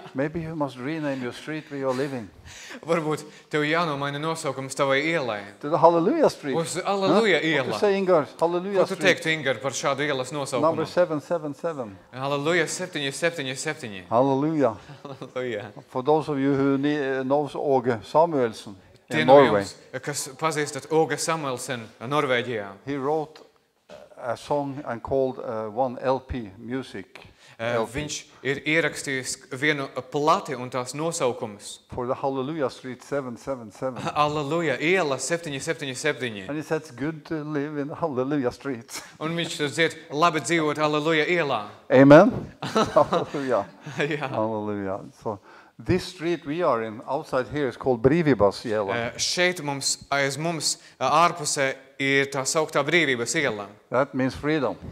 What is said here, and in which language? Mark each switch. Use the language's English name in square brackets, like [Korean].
[English] Maybe you must rename your street where you are living. [Latvian] Varbūt tev jānomaina nosaukums tavai ielai. [English] To the hallelujah street. [Latvian] Uz hallelujah ielā. [English] What you say, Ingar? Hallelujah street. [Latvian] Ko tu teikti, Ingar, par šādu ielas nosaukumu? [English] Number 777. Hallelujah 777. Hallelujah. Hallelujah. For those of you who knows Åge Samuelsson. [Latvian] Tie no jums, kas pazīstat Åge Samuelsen Norvēģijā. [English] He wrote a song and called one LP music. [Latvian] Viņš ir ierakstījis vienu plati un tās nosaukums. [English] For the Hallelujah Street 777. [Latvian] Hallelujah iela 777. [English] And he said it's good to live in Hallelujah Street. [Latvian] Un viņš dzied, labi dzīvot Hallelujah ielā. [English] Amen. Hallelujah. [Latvian] Jā. [English] Hallelujah. So, this street we are in outside here is called Brīvības iela. [Latvian] Šeit mums aiz mums ārpusē ir tā sauktā Brīvības iela. [English] That means freedom.